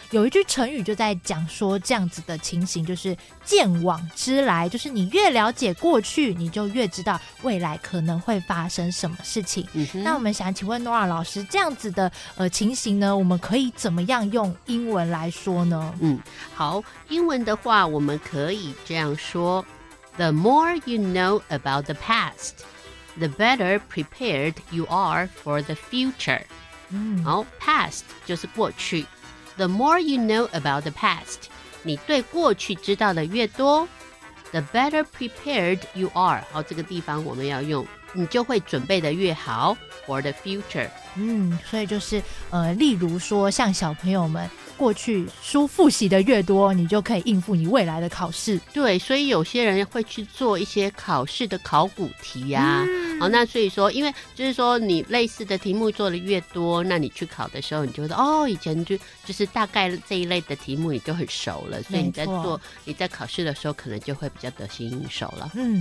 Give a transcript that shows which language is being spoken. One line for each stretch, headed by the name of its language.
Chinese: 有一句成语就在讲说这样子的情形，就是鑑往知来，就是你越了解过去，你就越知道未来可能会发生什么事情。那我们想请问 Nora 老师，这样子的情形呢，我们可以怎么样用英文来说呢？好，英文的话我们可以这样说，
English: The more you know about the pastThe better prepared you are for the future.
Chinese: 好， past 就是过去。
English: The more you know about the past,
Chinese: 你对过去知道的越多，
English: The better prepared you are.
Chinese: 好，这个地方我们要用，你就会准备的越好
English: for the future.
Chinese: 所以就是例如说像小朋友们过去书复习的越多，你就可以应付你未来的考试。对，所以有些人会去做一些考试的考古题啊。好，那所以说，因为就是说你类似的题目做的越多，那你去考的时候，你就会说哦，以前就是大概这一类的题目你就很熟了，所以你在考试的时候可能就会比较得心应手了。